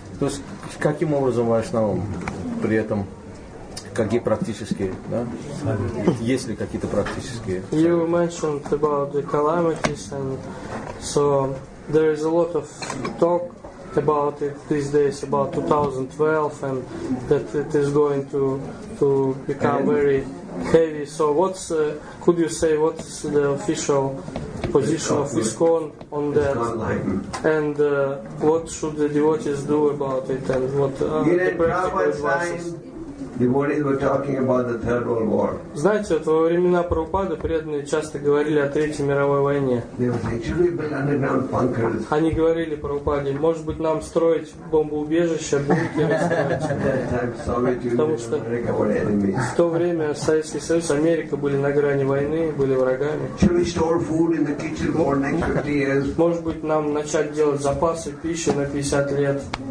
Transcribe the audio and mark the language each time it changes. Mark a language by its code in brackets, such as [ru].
[ru] То есть каким образом вайшнавам при этом, какие практические, да? Есть ли какие-то практические? [en] You mentioned about the calamities, and so there is a lot of talk about it these days, about 2012, and that it is going to become very heavy. So what's could you say what's the official position of ISKCON on that, and what should the devotees do about it, and what are the practical advices? Devotees were talking about the Third World War. [ru] Знаете, во времена Прабхупады преданные часто говорили о Третьей мировой войне. [en] They were saying, should we build underground bunkers? [ru] Они говорили Прабхупаде, может быть, нам строить бомбоубежище, бункеры строить. Потому что в то время Советский Союз, Америка были на грани войны, были врагами. [en] Should we store food in the kitchen for the next 50 years? [ru] Может быть, нам начать делать запасы пищи на 50 лет.